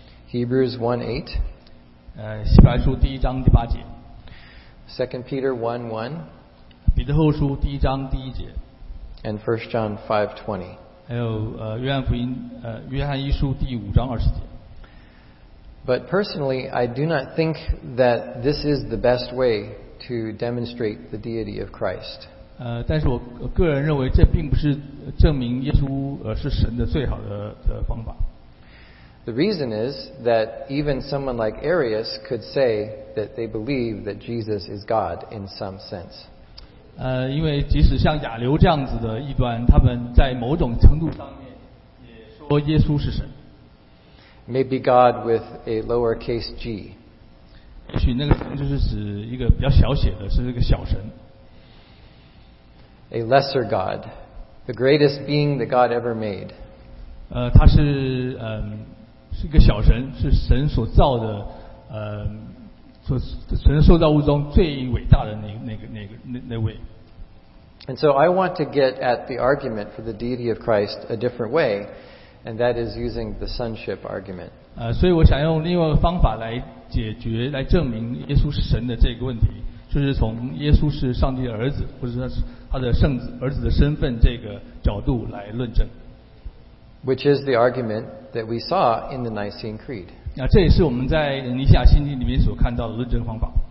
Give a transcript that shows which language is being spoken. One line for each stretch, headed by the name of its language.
English: Hebrews 1:8.
Chinese: 希伯来书第一章第八节。
English: Second Peter 1:1.
Chinese: 彼得后书第一章第一节。
English: And First John 5:20.
Chinese: 还有约翰福音约翰一书第五章二十节。
English: But personally, I do not think that this is the best way. To demonstrate the deity of Christ.
Chinese: 但是我个人认为这并不是证明耶稣是神的最好的方法。
English: The reason is that even someone like Arius could say that they believe that Jesus is God in some sense.
Chinese: 因为即使像亚流这样子的异端，他们在某种程度上面也说耶稣是神。
English: Maybe God with a lowercase g.
Chinese: 也许那个神就是指一个比较小写的，是一个小神。
English: A lesser God, the greatest being that God ever made.
Chinese: 他是是一个小神，是神所造的，神所造物中最伟大的那位。
English: And so I want to get at the argument for the deity of Christ a different way, and that is using the sonship argument.
Chinese: 所以我想用另外一个方法来证明耶稣是神的这个问题，就是从耶稣是上帝的儿子，或者他的圣子儿子的身份这个角度来论证。
English: Which is the argument that we saw in the Nicene Creed.
Chinese: 这也是我们在尼西亚信经里面所看到的论证方法。